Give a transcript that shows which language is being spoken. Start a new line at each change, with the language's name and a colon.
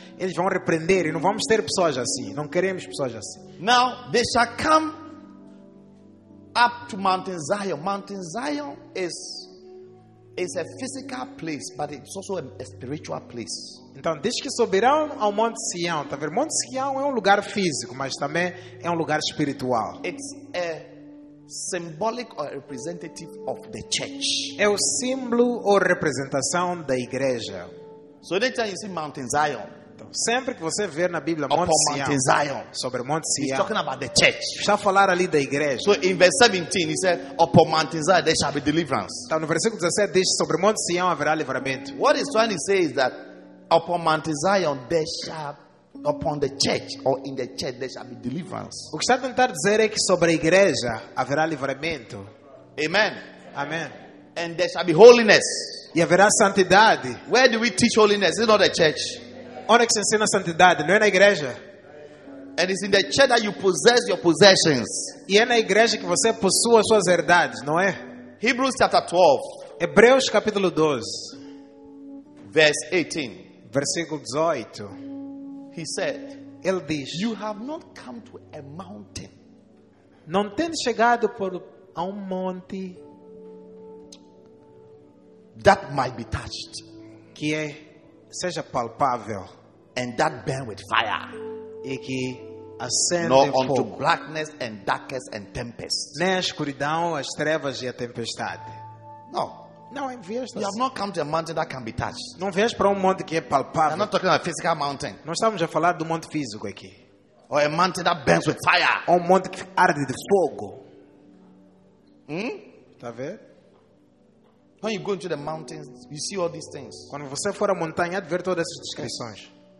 Portuguese: Eles vão repreender e não vamos ter pessoas assim. Não queremos pessoas assim.
English: Now they shall come up to Mount Zion. Mount Zion is a physical place, but it's also a spiritual place.
Portuguese: Então, diz que subirão ao Monte Sião. Tá vendo? Monte Sião é lugar físico, mas também é lugar espiritual.
English: It's a symbolic or representative of the church.
Portuguese: É o símbolo ou representação da igreja.
English: So anytime you see Mount Zion,
Portuguese: sempre que você vê na Bíblia Monte Sião,
English: Zion,
Portuguese: sobre Monte Sião,
English: he's talking about the church.
Portuguese: Está a falar ali da igreja.
English: So in verse 17 he said, upon Mount Zion there shall be deliverance.
Portuguese: Então no versículo 17 diz, sobre Monte Sião haverá livramento.
English: What he's trying to say is that upon Mount Zion there shall, upon the church or in the church there shall be deliverance.
Portuguese: O que está a tentar dizer é que sobre a igreja haverá livramento.
English: Amen.
Portuguese: Amen.
English: And there shall be holiness.
Portuguese: E haverá santidade.
English: Where do we teach holiness? It's not the church.
Portuguese: Onde se ensina a santidade? Não é na igreja.
English: And it's in the church that you possess your possessions.
Portuguese: E é na igreja que você possui as suas herdades, não é?
English: Hebrews chapter 12.
Portuguese: Hebreus capítulo 12.
English: Verse 18.
Portuguese: Versículo 18.
English: He said,
Portuguese: ele diz,
English: you have not come to a mountain.
Portuguese: Não tens chegado por a monte
English: that might be touched.
Portuguese: Que é seja palpável,
English: and that burn with fire,
Portuguese: e que acende
English: nor
Portuguese: fogo,
English: unto blackness and darkness and tempest,
Portuguese: nem a escuridão, as trevas e a tempestade.
English: No,
Portuguese: não, em vez
English: you have not come to a mountain that can be touched.
Portuguese: Não vês para monte que é palpável.
English: I'm not talking about a physical mountain.
Portuguese: Nós estamos a falar do monte físico aqui,
English: or a mountain that burns with fire,
Portuguese: monte que arde de fogo. Tá vendo?
English: When you go into the mountains, you see all these things.
Portuguese: Quando você for à montanha, ver todas essas descrições.